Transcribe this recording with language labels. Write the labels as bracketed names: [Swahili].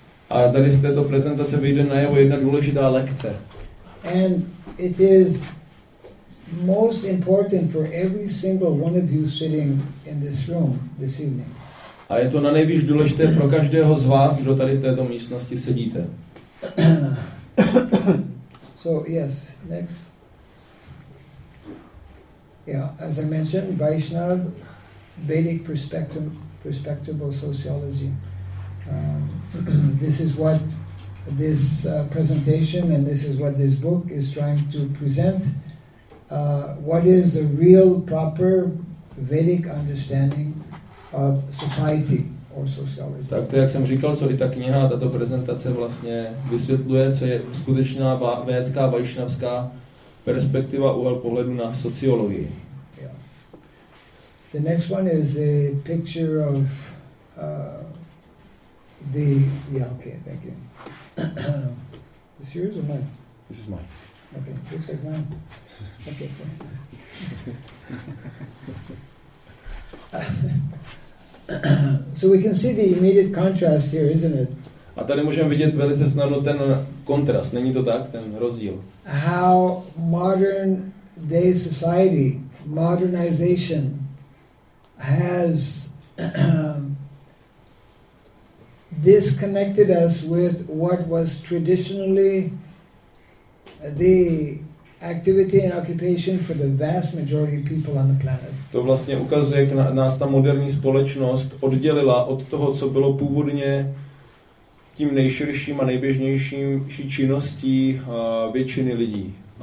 [Czech] A tady z této prezentace vyjde najevo jedna důležitá lekce. [English] And it is most important for every single one of you sitting in this room this evening. [Czech] A je to nanejvýš důležité pro každého z vás, kdo tady v této místnosti sedíte. [English] So yes, next. Yeah, as I mentioned, Vaishnav Vedic perspective of sociology. this is what this presentation and this is what this book is trying to present. What is the real proper Vedic understanding of society or sociology? [Czech] Tak to, jak jsem říkal, co i ta kniha, tato prezentace vlastně vysvětluje, co je skutečná vědecká vaišnavská perspektiva úhel pohledu na sociologii. [English] The next one is a picture of the. Yeah, okay, thank you. This yours or mine? This is mine. Okay, looks like mine. Okay, so. So we can see the immediate contrast here, isn't it? [Czech] A tady můžeme vidět velice snadno ten kontrast. Není to tak, ten rozdíl? [English] How modern day society, modernization. Has disconnected us with what was traditionally the activity and occupation for the vast majority of people on the planet. [Czech] To vlastně ukazuje, jak nás ta moderní společnost oddělila od toho, co bylo původně tím nejširším a nejběžnějším činností většiny lidí.